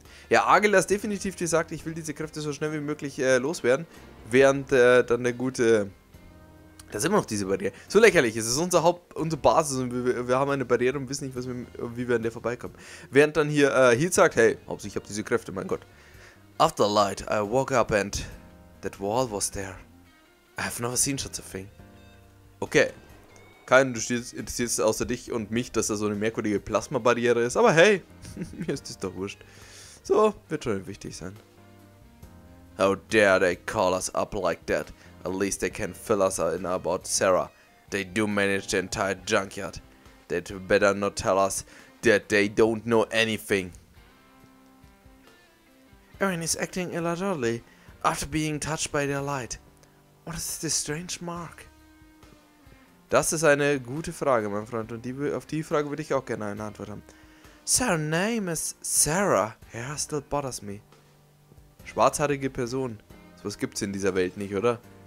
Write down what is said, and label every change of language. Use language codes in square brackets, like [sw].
[de] Ja, Agil hat definitiv gesagt, ich will diese Kräfte so schnell wie möglich loswerden, während dann der gute... Da sind immer noch diese Barriere. So lächerlich, es ist unsere Basis und wir haben eine Barriere und wissen nicht, wie wir an der vorbeikommen. Während dann hier Heat sagt, hey, hauptsächlich, ich habe diese Kräfte, mein Gott. [en] After light, I woke up and that wall was there. I have never seen such a thing. Okay. [de] Keinen interessiert es außer dich und mich, dass da so eine merkwürdige Plasma-Barriere ist. Aber hey, mir ist das doch wurscht. So, wird schon wichtig sein. [en] How dare they call us up like that? At least they can fill us in about Sarah. They do manage the entire junkyard. They'd better not tell us that they don't know anything. Eren is acting illogically after being touched by their light. What is this strange mark? [de] Das ist eine gute Frage, mein Freund, und auf die Frage würde ich auch gerne eine Antwort haben. [en] Sir, name is Sarah. Her hair still bothers me. [de] Schwarzhaarige Person. Sowas gibt's in dieser Welt nicht, oder?